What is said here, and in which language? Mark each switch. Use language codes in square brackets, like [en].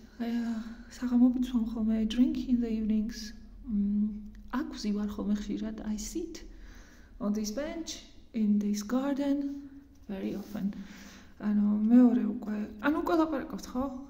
[ka] საღამოებით ვსვამ ხოლმე. [en] I drink in the evenings. [ka] აქ ვზივარ ხოლმე ხშირად. [en] I sit on this bench in this garden very often. [ka] ანუ მეორე უკვე, ანუ უკვე ლაპარაკობთ, ხო?